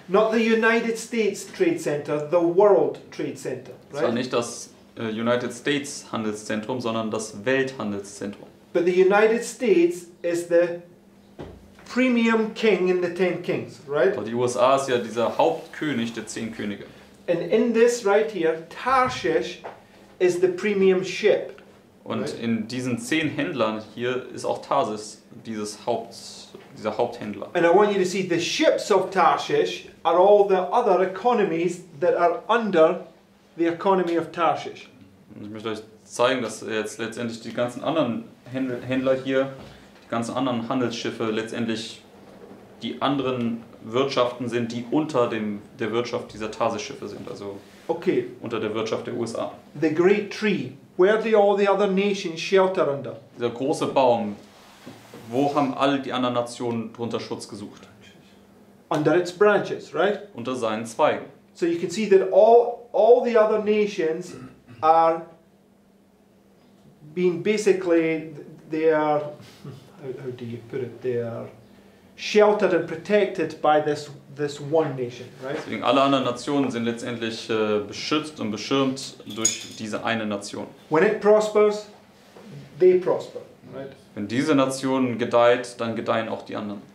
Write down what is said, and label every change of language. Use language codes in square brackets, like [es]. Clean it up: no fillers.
[en] Not the United States Trade Center, the World Trade Center, right? [de] Es war nicht das United States Handelszentrum, sondern das Welthandelszentrum. [en] But the United States is the premium king in the Ten Kings, right? [de] Die USA ist ja dieser Hauptkönig der Zehn Könige. [en] And in this right here, Tarshish is the premium ship. [de] Und [en] right? [de] In diesen zehn Händlern hier ist auch Tarsis dieser Haupthändler. [en] And I want you to see the ships of Tarshish are all the other economies that are under the economy of Tarshish. [de] Und ich möchte euch zeigen, dass jetzt letztendlich die ganzen anderen Händler hier, die ganzen anderen Handelsschiffe letztendlich die anderen Wirtschaften sind, die unter der Wirtschaft dieser Tarsis-Schiffe sind, also okay. Unter der Wirtschaft der USA. [en] The great tree, where do all the other nations shelter under? [de] Dieser große Baum, wo haben all die anderen Nationen drunter Schutz gesucht? [en] Under its branches, right? [de] Unter seinen Zweigen. [en] So you can see that all the other nations are being basically, they are, how do you put it, they are sheltered and protected by this one nation, right? [de] Deswegen alle anderen Nationen sind letztendlich beschützt und beschirmt durch diese eine Nation. [en] When it prospers, they prosper, right? [de] Wenn diese Nation gedeiht, dann gedeihen auch die anderen.